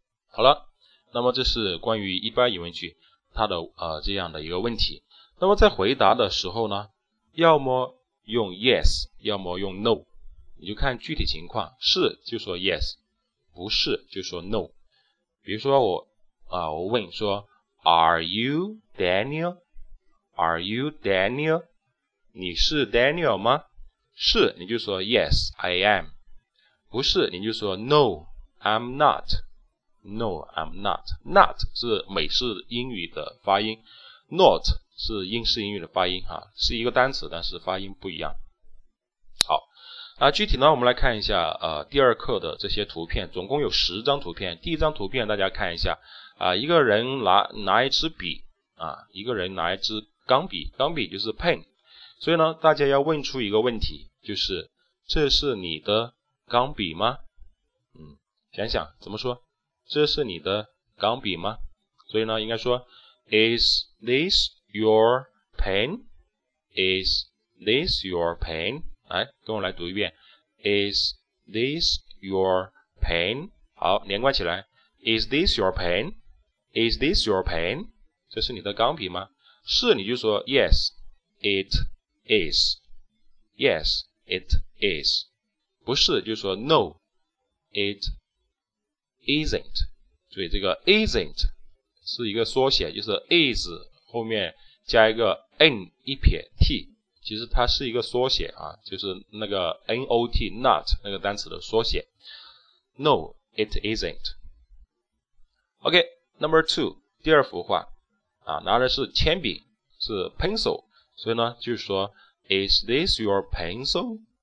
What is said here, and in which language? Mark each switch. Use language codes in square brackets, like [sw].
[zh] 好了，那么这是关于一般疑问句它的这样的一个问题。那么在回答的时候呢，要么用 yes， 要么用 no， 你就看具体情况，是就说 yes， 不是就说 no。比如说啊，我问说 [en] Are you Daniel? Are you Daniel? [zh] 你是 Daniel 吗？是你就说 [en] Yes, I am. [zh] 不是你就说 [en] No, I'm not. No, I'm not. [zh] Not 是美式英语的发音， Not 是英式英语的发音，啊，是一个单词，但是发音不一样。好，那具体呢我们来看一下第二课的这些图片，总共有十张图片。第一张图片大家看一下一个人拿一支笔一个人拿一支钢笔，钢笔就是 pen。所以呢大家要问出一个问题，就是这是你的钢笔吗？想想怎么说，这是你的钢笔吗？所以呢应该说 [en] Is this your pen? Is this your pen? [zh] 来跟我来读一遍 [en] Is this your pen? [zh] 好，连贯起来 [en] Is this your pen? Is this your pen? [zh] 这是你的钢笔吗？是你就说 [en] Yes, it is. Yes, it is. [zh] 不是就说 [en] No, it isn't. [zh] 注意这个 isn't 是一个缩写，就是 is 后面加一个 n 一撇 t，其实它是一个缩写啊，就是那个 not, not 那个单词的缩写。 [en] No, it isn't. OK, number two, [zh] 第二幅画啊，拿的是铅笔，是 [en] pencil, 所以呢就是说 Is this your pencil?